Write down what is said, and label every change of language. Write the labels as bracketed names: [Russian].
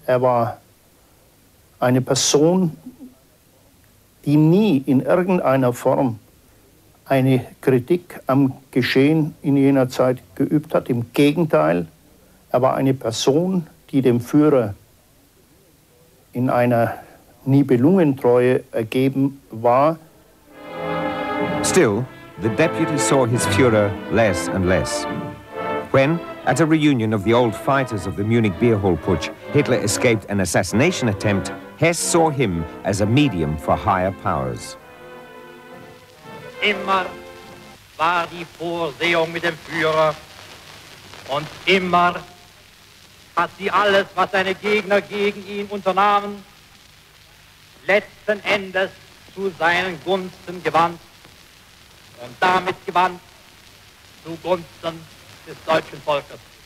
[German] Er war eine Person, die nie in irgendeiner Form eine Kritik am Geschehen in jener Zeit geübt hat. Im Gegenteil, er war eine Person, die dem Führer in einer Nibelungentreue ergeben war. [English] Still, the deputy saw his Führer less and less. When, at a reunion of the old fighters of the Munich Beer Hall Putsch, Hitler escaped an assassination attempt, Hess saw him as a medium for higher powers. [German] Immer war die Vorsehung mit dem Führer und immer hat sie alles, was seine Gegner gegen ihn unternahmen, letzten Endes zu seinen Gunsten gewandt und damit gewandt zugunsten des deutschen Volkes.